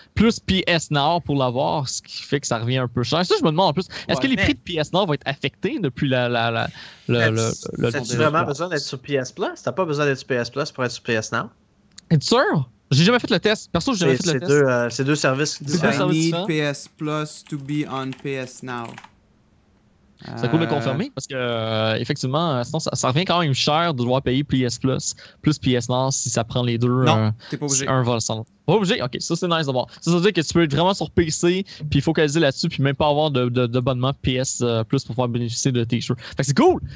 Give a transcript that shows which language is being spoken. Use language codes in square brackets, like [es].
[fr] Plus PS Now pour l'avoir, ce qui fait que ça revient un peu cher. Ça, je me demande en plus, est-ce que les prix de PS Now vont être affectés depuis le. T'as-tu vraiment besoin d'être sur PS Plus? T'as pas besoin d'être sur PS Plus pour être sur PS Now? Es-tu sûr? J'ai jamais fait le test. Perso, j'ai jamais fait le test. C'est deux services différents. [en] I need PS Plus to be on PS Now. [fr] C'est cool de confirmer parce que, effectivement, sinon, ça revient quand même cher de devoir payer PS Plus plus PS Now si ça prend les deux. Non, t'es pas obligé. Un vol sans l'autre. Pas obligé, ok, ça c'est nice d'avoir. Ça, ça veut dire que tu peux être vraiment sur PC puis il faut focaliser là-dessus puis même pas avoir d'abonnement PS Plus pour pouvoir bénéficier de tes jeux. Fait que c'est cool!